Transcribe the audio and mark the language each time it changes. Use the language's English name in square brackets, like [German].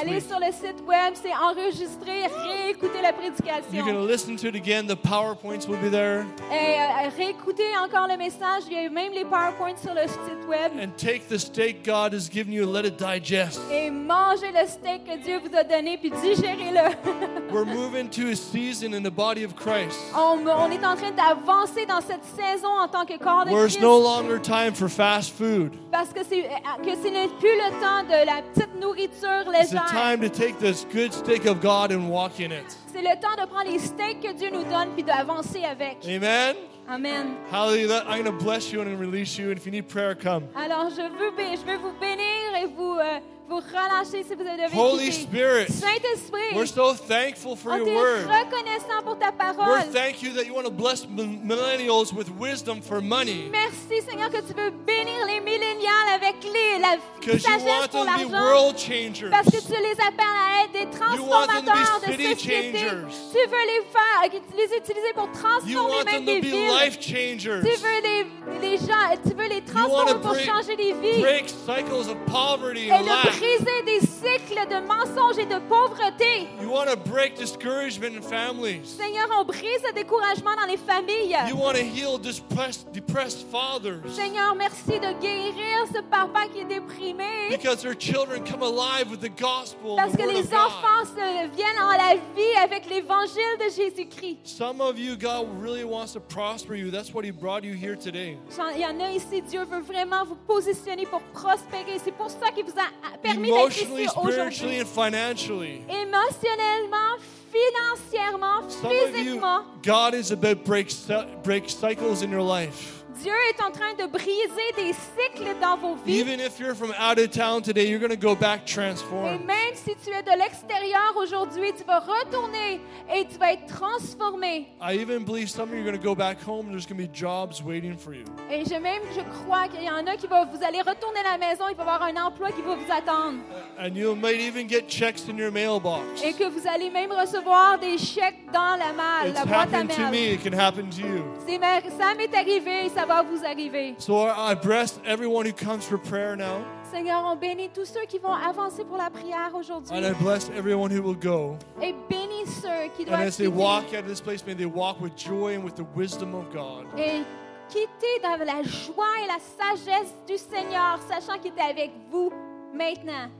[French] Allez [English] week. [French] Sur le site web, c'est enregistré, réécouter la prédication. [English] You're going to listen to it again. The PowerPoints will be there. [French] Et réécouter encore le message. Il y a même les PowerPoints sur le site web. [English] And take the steak God has given you and let it digest. [French] Et mangez le steak que Dieu vous a donné puis digérez-le. [English] We're moving to a season in the body of Christ. [French] On est en train d'avancer dans cette saison en tant que corps de [English] Where [French] Christ. [English] It's no longer time for fast food. [French] Parce que ce n'est plus le temps de la petite nourriture légère. [English] It's time to take this good steak of God and walk in it. [French] C'est le temps de prendre les steaks que Dieu nous donne puis d'avancer avec. [English] Amen. [French] Amen. [English] Hallelujah. I'm going to bless you and release you. And if you need prayer, come. [French] Alors je veux vous bénir et vous relâcher si vous avez besoin. [English] Holy Spirit. [French] Saint Esprit. [English] We're so thankful for your word. [French] On est reconnaissant pour ta parole. [English] We thank you that you want to bless millennials with wisdom for money. [French] Merci Seigneur que tu veux bénir les millénials avec la sagesse pour l'argent. [English] You want them to be world changers. [French] Parce que tu les appelles à être des transformateurs de société. Tu veux les faire, les utiliser pour transformer même des vies. [English] Life changers. [French] Tu veux les gens, tu veux les transformer pour changer les vies. [English] Break cycles of poverty [French] et de briser des cycles de mensonges et de pauvreté. [English] You want to break discouragement in families. [French] Seigneur, on brise le découragement dans les familles. [English] You want to heal depressed fathers. [French] Seigneur, merci de guérir ce papa qui est déprimé. [English] Because their children come alive with the gospel. [French] Parce que les enfants se viennent en la vie avec l'évangile de Jésus-Christ. [English] Some of you, God really wants to prosper you. That's what he brought you here today. [French] Il y en a ici, Dieu veut vraiment vous positionner pour prospérer. C'est pour ça qu'il vous a permis d'être ici aujourd'hui. [English] Spiritually and financially. [French] Émotionnellement, financièrement, physiquement. [English] Some of you, God is about break cycles in your life. [French] Dieu est en train de briser des cycles dans vos vies. [English] Even if you're from out of town today, you're going to go back transformed. [French] Et même si tu es de l'extérieur aujourd'hui, tu vas retourner et tu vas être transformé. [English] I even believe some of you are going to go back home. There's going to be jobs waiting for you. [French] Et je crois qu'il y en a qui vont vous aller retourner à la maison. Il va y avoir un emploi qui va vous attendre. [English] And you might even get checks in your mailbox. [French] Et que vous allez même recevoir des chèques dans la boîte à mail. [English] It's happened to me. It can happen to you. [French] Ça m'est arrivé. Ça va vous arriver. [English] So I bless everyone who comes for prayer now. [French] Seigneur, on bénit tous ceux qui vont avancer pour la prière aujourd'hui. [English] And I bless everyone who will go. [French] Et bénis ceux qui doivent [English] And as they walk out of this place, may they walk with joy and with the wisdom of God. [French] Et quittez dans la joie et la sagesse du Seigneur, sachant qu'il est avec vous maintenant.